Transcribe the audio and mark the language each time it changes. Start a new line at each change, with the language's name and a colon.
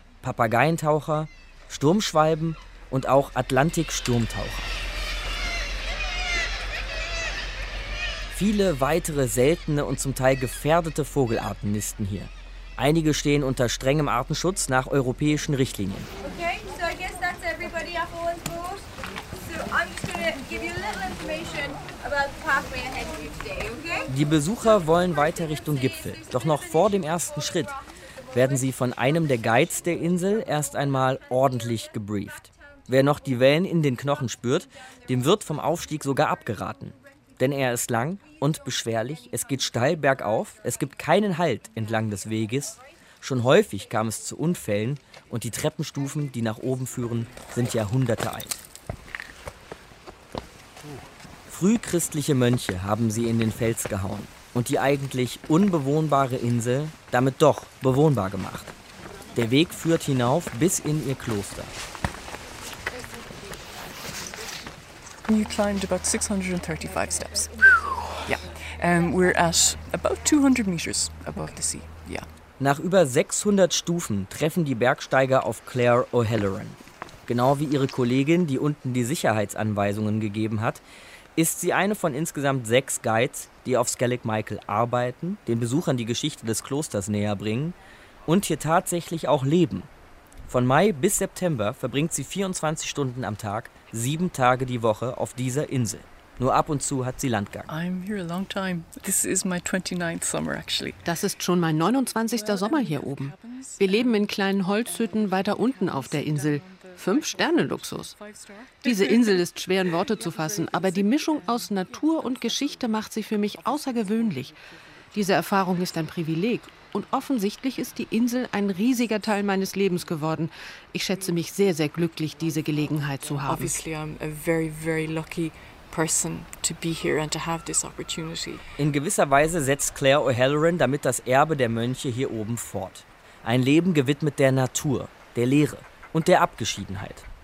German: Papageientaucher, Sturmschwalben und auch Atlantiksturmtaucher. Viele weitere seltene und zum Teil gefährdete Vogelarten nisten hier. Einige stehen unter strengem Artenschutz nach europäischen Richtlinien.
English: Okay, so I guess that's everybody up on board. So I'm just gonna give you a little information about the pathway ahead of you today, okay?
German: Die Besucher wollen weiter Richtung Gipfel. Doch noch vor dem ersten Schritt werden sie von einem der Guides der Insel erst einmal ordentlich gebrieft. Wer noch die Wellen in den Knochen spürt, dem wird vom Aufstieg sogar abgeraten. Denn er ist lang und beschwerlich, es geht steil bergauf, es gibt keinen Halt entlang des Weges. Schon häufig kam es zu Unfällen und die Treppenstufen, die nach oben führen, sind Jahrhunderte alt. Frühchristliche Mönche haben sie in den Fels gehauen und die eigentlich unbewohnbare Insel damit doch bewohnbar gemacht. Der Weg führt hinauf bis in ihr Kloster.
English: You climbed about 635 steps. Yeah, we're at about 200 meters above the sea. Yeah.
German: Nach über 600 Stufen treffen die Bergsteiger auf Claire O'Halloran. Genau wie ihre Kollegin, die unten die Sicherheitsanweisungen gegeben hat, ist sie eine von insgesamt 6 Guides, die auf Skellig Michael arbeiten, den Besuchern die Geschichte des Klosters näher bringen und hier tatsächlich auch leben. Von Mai bis September verbringt sie 24 Stunden am Tag, 7 Tage die Woche auf dieser Insel. Nur ab und zu hat sie Landgang.
English: I'm here a long time. This is my 29th summer actually.
German: Das ist schon mein 29. Sommer hier oben. Wir leben in kleinen Holzhütten weiter unten auf der Insel. 5-Sterne-Luxus. Diese Insel ist schwer in Worte zu fassen, aber die Mischung aus Natur und Geschichte macht sie für mich außergewöhnlich. Diese Erfahrung ist ein Privileg. Und offensichtlich ist die Insel ein riesiger Teil meines Lebens geworden. Ich schätze mich sehr, sehr glücklich, diese Gelegenheit zu haben.
English: Obviously, I'm a very, very lucky person to be here and to have this opportunity.
German: In gewisser Weise setzt Claire O'Halloran damit das Erbe der Mönche hier oben fort. Ein Leben gewidmet der Natur, der Leere und der Abgeschiedenheit.